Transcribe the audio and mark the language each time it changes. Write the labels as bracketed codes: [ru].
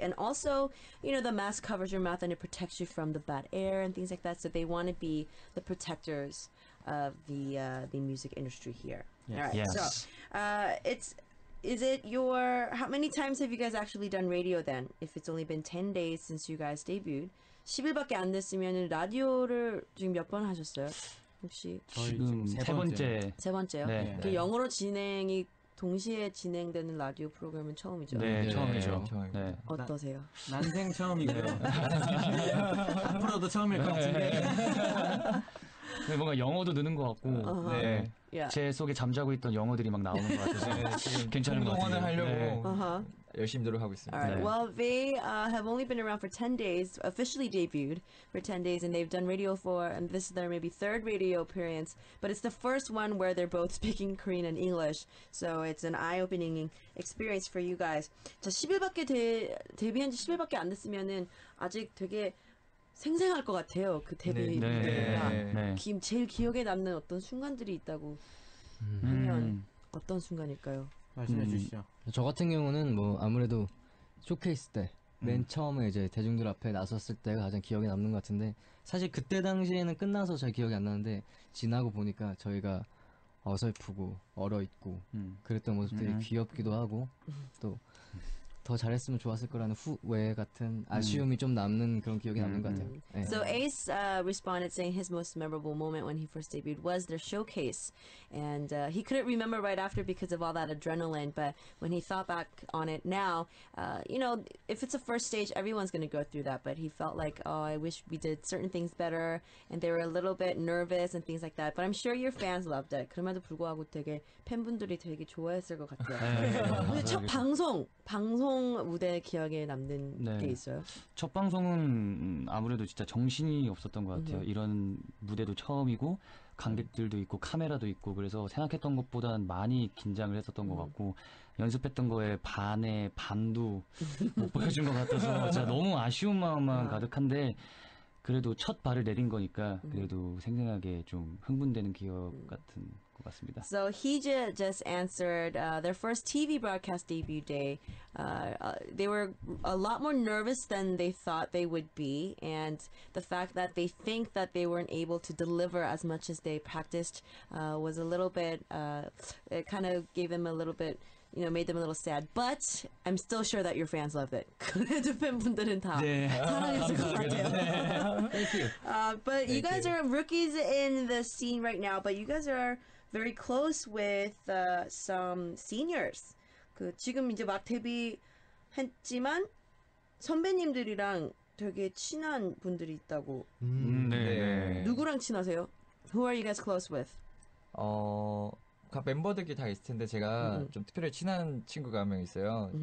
[en] And also, you know, the MASC covers your mouth and it protects you from the bad air and things like that, so they want to be the protectors of the music industry here. Yes. All right. Yes. So, how many times have you guys actually done radio then? If it's only been 10 days since you guys debuted. [ko] 10일밖에 안 됐으면은 라디오를 지금 몇 번 하셨어요? 혹시 지금 세 번째요? 네. 그 영어로 진행이 동시에 진행되는 라디오 프로그램은 처음이죠. 네, 네. 처음이죠. 네. 어떠세요? 난생 처음이고요. 앞으로도 처음일 것 같은데. 네, 뭔가 영어도 느는 것 같고, uh-huh. 네. [en] Yeah. [ko] 제 속에 잠자고 있던 영어들이 막 나오는 것 같아서 괜찮은 것 같아요. 공부 하려고. 네. Uh-huh. 열심히 하고 있습니다. [en] All right. 네. Well, they have only been around for 10 days, officially debuted for 10 days, and they've done radio for, and this is their maybe third radio appearance, but it's the first one where they're both speaking Korean and English, so it's an eye-opening experience for you guys. [ko] 자, 10일밖에 데뷔한 지 10일밖에 안 됐으면은 아직 되게 생생할 것 같아요, 그 데뷔. 네. 네. 네. 네. 제일 기억에 남는 어떤 순간들이 있다고 하면 어떤 순간일까요? 말씀해 주시죠. 저 같은 경우는 뭐 아무래도 쇼케이스 때 맨 처음에 이제 대중들 앞에 나섰을 때가 가장 기억에 남는 것 같은데 사실 그때 당시에는 끝나서 잘 기억이 안 나는데 지나고 보니까 저희가 어설프고 얼어있고 그랬던 모습들이 귀엽기도 하고 또 더 잘했으면 좋았을 거라는 후회 같은 아쉬움이 좀 남는 그런 기억이 남는 것 같아요. 네. [en] So Ace responded saying his most memorable moment when he first debuted was their showcase. And he couldn't remember right after because of all that adrenaline, but when he thought back on it now, you know, if it's a first stage, everyone's going to go through that. But he felt like, oh, I wish we did certain things better, and they were a little bit nervous and things like that. But I'm sure your fans loved it. [ko] 그럼에도 불구하고 되게 팬분들이 되게 좋아했을 것 같아요. 첫 방송 무대 기억에 남는 네. 게 있어요? 첫 방송은 아무래도 진짜 정신이 없었던 것 같아요. 이런 무대도 처음이고 관객들도 있고 카메라도 있고 그래서 생각했던 것보다는 많이 긴장을 했었던 것 같고 연습했던 거에 반의 반도 못 보여준 것 같아서 진짜 너무 아쉬운 마음만 가득한데 그래도 첫 발을 내린 거니까 그래도 생생하게 좀 흥분되는 기억 같은 것 같습니다. [en] So he just answered their first TV broadcast debut day. They were a lot more nervous than they thought they would be, and the fact that they think that they weren't able to deliver as much as they practiced was a little bit. It kind of gave them a little bit. You know, made them a little sad, but I'm still sure that your fans loved it. [ko] 그래도 팬분들은 다 사랑했을 것 같아요. [en] Thank you. But you guys are rookies in the scene right now, but you guys are very close with some seniors. [ko] 그 지금 이제 막 데뷔했지만 선배님들이랑 되게 친한 분들이 있다고. 네. 누구랑 친하세요? [en] Who are you guys close with? [ko] 각 멤버들끼리 다 있을 텐데 제가 좀 특별히 친한 친구가 한 명 있어요.